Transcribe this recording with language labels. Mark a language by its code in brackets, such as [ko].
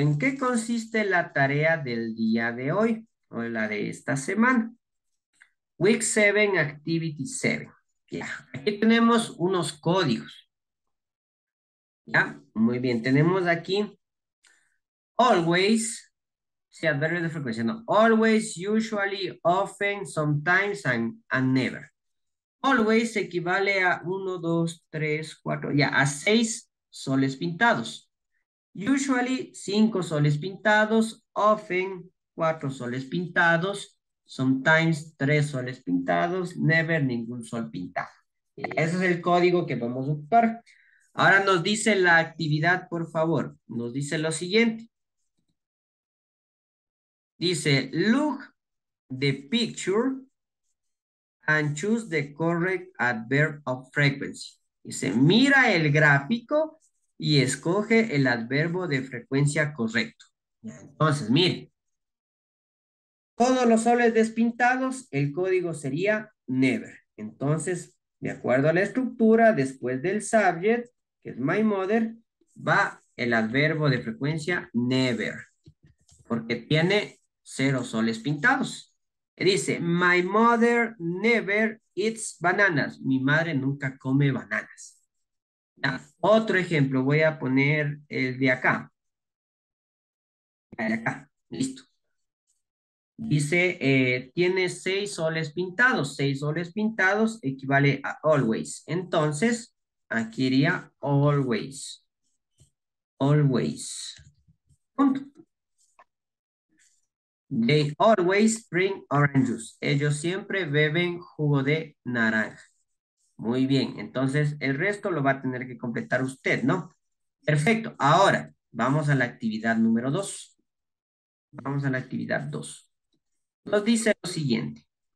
[es] ¿En qué consiste la tarea del día de hoy o la de esta semana? [en] Week 7, Activity 7. [es] Ya. Aquí tenemos unos códigos. Ya. Muy bien. Tenemos aquí always, sí, adverbio de frecuencia, no. [en] Always, usually, often, sometimes, and never. [es] Always equivale a 1, 2, 3, 4, ya, a 6 soles pintados. Usually, 5 soles pintados. Often, 4 soles pintados. Sometimes, 3 soles pintados. Never, ningún sol pintado. Ese es el código que vamos a ocupar. Ahora nos dice la actividad, por favor. Nos dice lo siguiente. Dice, [en] look the picture and choose the correct adverb of frequency. [es] Dice, mira el gráfico y escoge el adverbo de frecuencia correcto. Entonces, mire. Todos los soles despintados, el código sería never. Entonces, de acuerdo a la estructura, después del subject, que es [en] my mother, [es] va el adverbo de frecuencia never. Porque tiene 0 soles pintados. Dice, [en] my mother never eats bananas. [es] Mi madre nunca come bananas. Ya, otro ejemplo, voy a poner el de acá. El de acá, listo. Dice, tiene 6 soles pintados. 6 soles pintados equivale a always. Entonces, aquí iría always. Always. Punto. [en] They always bring oranges. [es] Ellos siempre beben jugo de naranja. Muy bien. Entonces, el resto lo va a tener que completar usted, ¿no? Perfecto. Ahora, vamos a la actividad número 2. Vamos a la actividad 2. Nos dice lo siguiente.